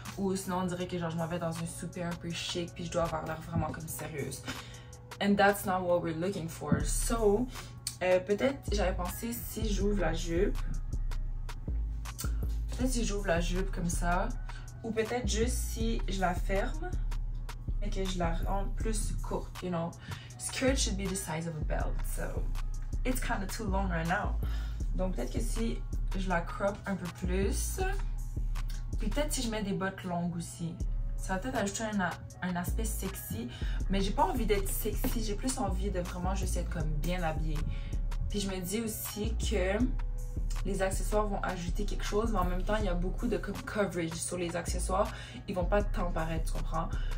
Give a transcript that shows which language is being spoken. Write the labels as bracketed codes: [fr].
[fr] Ou sinon, on dirait que genre je m'en vais dans un souper un peu chic, puis je dois avoir l'air vraiment comme sérieuse. [en] And that's not what we're looking for. [fr] So, peut-être j'avais pensé si j'ouvre la jupe. Peut-être si j'ouvre la jupe comme ça. Ou peut-être juste si je la ferme. Et que je la rends plus courte, [en] you know. Skirt should be the size of a belt, so it's kind of too long right now. [fr] Donc peut-être que si je la crop un peu plus, peut-être si je mets des bottes longues aussi, ça va peut-être ajouter un aspect sexy. Mais j'ai pas envie d'être sexy, j'ai plus envie de vraiment juste être comme bien habillée. Puis je me dis aussi que les accessoires vont ajouter quelque chose, mais en même temps il y a beaucoup de coverage sur les accessoires, ils vont pas tant paraître, tu comprends?